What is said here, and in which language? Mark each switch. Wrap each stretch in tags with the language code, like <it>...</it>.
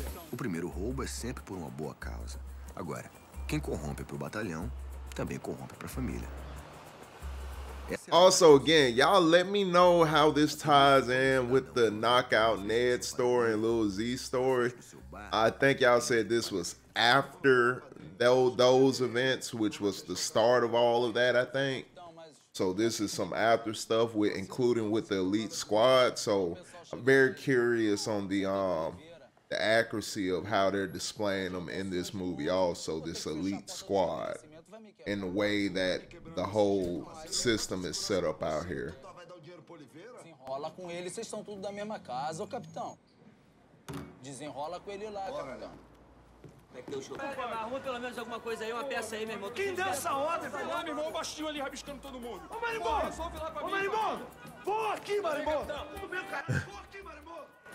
<pt>O primeiro roubo é sempre por uma boa causa. Agora, quem corrompe pro batalhão, também corrompe pra família.</pt> <en>Also, again, y'all let me know how this ties in with the Knockout Ned story and Lil Z story. I think y'all said this was after those events, which was the start of all of that, I think. So this is some after stuff, with including with the elite squad. So I'm very curious on the accuracy of how they're displaying them in this movie also, this elite squad. In the way that the whole system is set up out here.</en> <pt>Desenrola com ele, vocês estão tudo da mesma casa, ô capitão. Desenrola com ele lá, capitão. Arruma pelo menos alguma coisa aí, uma peça aí, meu irmão. Quem deu essa ordem? Vai lá, meu irmão, o baixinho ali rabiscando todo mundo. Ô, marimbondo! Ô, marimbondo! Vou aqui, marimbondo! Vem, marimbondo!</pt>